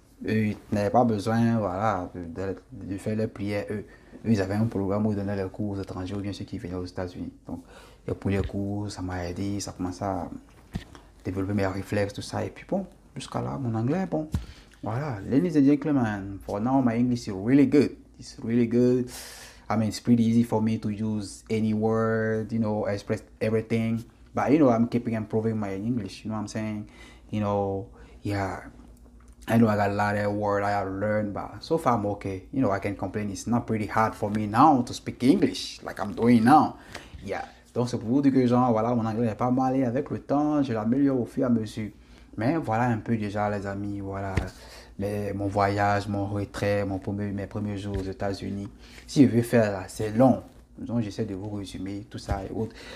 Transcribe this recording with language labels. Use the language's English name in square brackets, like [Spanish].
[French] Eux, ils n'avaient pas besoin, voilà, de faire leurs prières, eux. Ils avaient un programme où ils donnaient leurs cours aux étrangers ou bien ceux qui venaient aux États-Unis. Donc, j'ai pris les cours, ça m'a aidé, ça commence à développer mes réflexes, tout ça. Et puis bon, jusqu'à là, mon anglais, bon, voilà. [English] Ladies and gentlemen, for now, my English is really good. It's really good. I mean, it's pretty easy for me to use any word, you know, express everything. But, you know, I'm keeping improving my English, you know what I'm saying? You know, yeah. I know I got a lot of words I have learned, but so far I'm okay. You know, I can't complain. It's not pretty hard for me now to speak English, like I'm doing now. Yeah. [French] Donc, c'est pour vous dire que, genre, voilà, mon anglais n'est pas mal et avec le temps, je l'améliore au fur et à mesure. Mais voilà un peu déjà, les amis, voilà, mon voyage, mon retrait, mes premiers jours aux États-Unis. Si je veux faire là, c'est long. Donc, j'essaie de vous résumer tout ça et autres.